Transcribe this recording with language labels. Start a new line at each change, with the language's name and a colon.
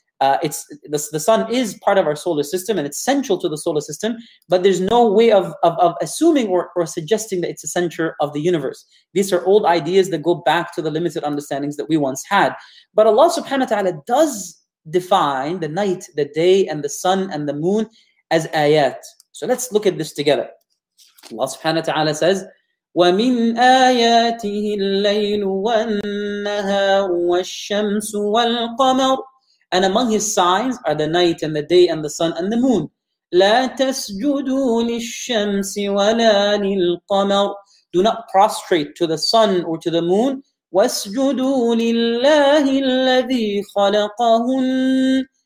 English: It's the sun is part of our solar system and it's central to the solar system, but there's no way of assuming or suggesting that it's a center of the universe. These are old ideas that go back to the limited understandings that we once had. But Allah subhanahu wa ta'ala does define the night, the day, and the sun and the moon as ayat. So let's look at this together. Allah subhanahu wa ta'ala says,
Arabic: وَمِنْ آيَاتِهِ اللَّيْلُ وَالنَّهَارُ وَالشَّمْسُ وَالْقَمَرُ.
English: And among his signs are the night and the day and the sun and the moon.
Arabic: لَا تَسْجُدُوا لِلشَّمْسِ وَلَا لِلْقَمَرُ.
English: Do not prostrate to the sun or to the moon.
Arabic: وَاسْجُدُوا لِلَّهِ الَّذِي خَلَقَهُمْ.